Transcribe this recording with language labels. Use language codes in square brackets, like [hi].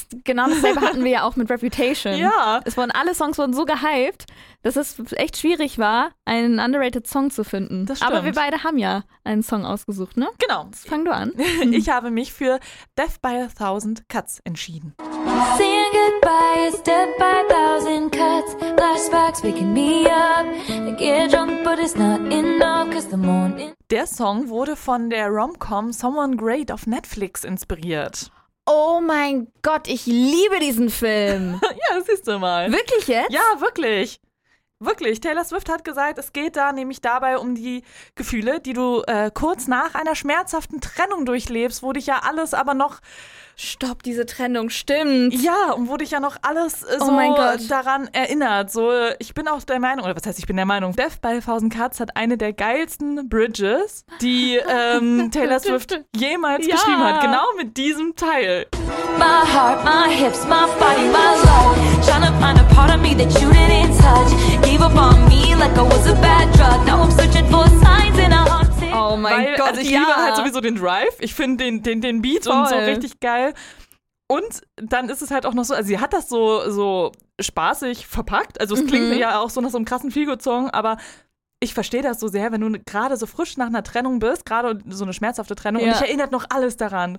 [de] Genau dasselbe hatten wir ja auch mit Reputation. Ja. Alle Songs wurden so gehypt, dass es echt schwierig war, einen underrated Song zu finden. Das stimmt. Aber wir beide haben ja einen Song ausgesucht, ne? Genau. Jetzt fang du an. Ich habe mich für Death by a Thousand Cuts entschieden. [en] Saying goodbye is death by a thousand cuts. Flashbacks waking me up. I get drunk, but it's not enough. Cause the [de] Mond. Der Song wurde von der Rom-Com Someone Great auf Netflix inspiriert. Oh mein Gott, ich liebe diesen Film. Ja, das siehst du mal. Wirklich jetzt? Ja, wirklich. Wirklich, Taylor Swift hat gesagt, es geht da nämlich dabei um die Gefühle, die du kurz nach einer schmerzhaften Trennung durchlebst, wo dich ja alles aber noch... Stopp, diese Trennung, stimmt. Ja, und wo dich ja noch alles daran erinnert. So, ich bin auch der Meinung, oder was heißt, ich bin der Meinung, Death by 1000 Cuts hat eine der geilsten Bridges, die Taylor Swift jemals geschrieben hat. Genau mit diesem Teil. [en] My heart, my hips, my body, my love. Trying to find a part of me that you didn't touch. Gave up on me like I was a bad drug. Now I'm searching for signs in a heart. [de] Oh mein Gott, also ich liebe halt sowieso den Drive. Ich finde den Beat und so richtig geil. Und dann ist es halt auch noch so, also sie hat das so spaßig verpackt. Also es klingt ja auch so nach so einem krassen Feelgood-Song, aber ich verstehe das so sehr, wenn du gerade so frisch nach einer Trennung bist, gerade so eine schmerzhafte Trennung, und ich erinnert noch alles daran.